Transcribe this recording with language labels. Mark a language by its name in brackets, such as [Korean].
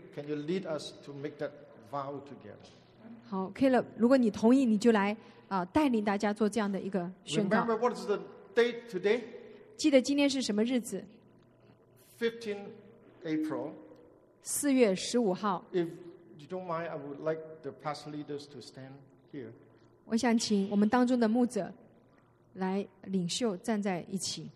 [English] Can you lead us to make that vow together? [Chinese] 好 ，Caleb， 如果你同意，你就来。带领大家做这样的一个宣告。 [English] Remember what is the date today? [Chinese] 记得今天是什么日子？ [English] 15 April. [Chinese] 4月15号。 [English] If you don't mind, I would like the past leaders to stand here. [Chinese] 我想请我们当中的牧者来领袖站在一起。